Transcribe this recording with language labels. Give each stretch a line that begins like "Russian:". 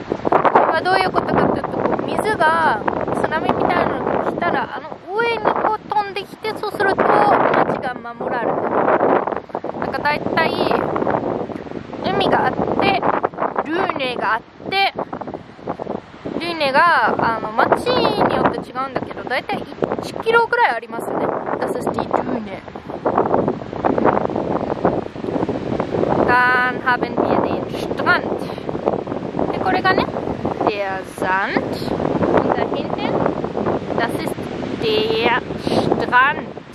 Japanese: これはどういうことかというと、水が津波みたいなのが来たら、あの上にこう飛んできて、そうすると町が守られる。なんかだいたい海があって、ドゥーネがあって、ドゥーネがあの町によって違うんだけど、だいたい10キロくらいありますね。
German: Das ist die Düne. Dann haben wir den Strand.
Japanese: で、これがね、
German: der Sand. Und da hinten, das ist der Strand.